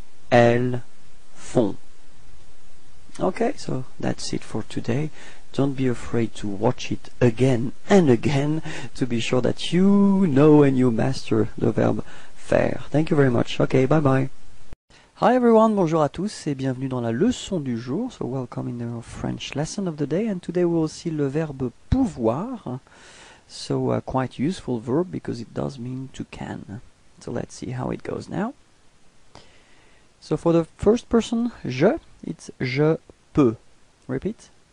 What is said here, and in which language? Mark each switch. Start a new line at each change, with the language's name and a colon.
French: Elles font.
English: Okay, so that's it for today. Don't be afraid to watch it again and again to be sure that you know and you master the verb faire. Thank you very much. Okay, bye bye. Hi everyone,
French: bonjour à tous et bienvenue dans la leçon du jour.
English: So welcome in the French lesson of the day. And today we'll see le verbe pouvoir. So a quite useful verb because it does mean to can. So let's see how it goes now. So for the first person, je, it's
French: je peux.
English: Repeat.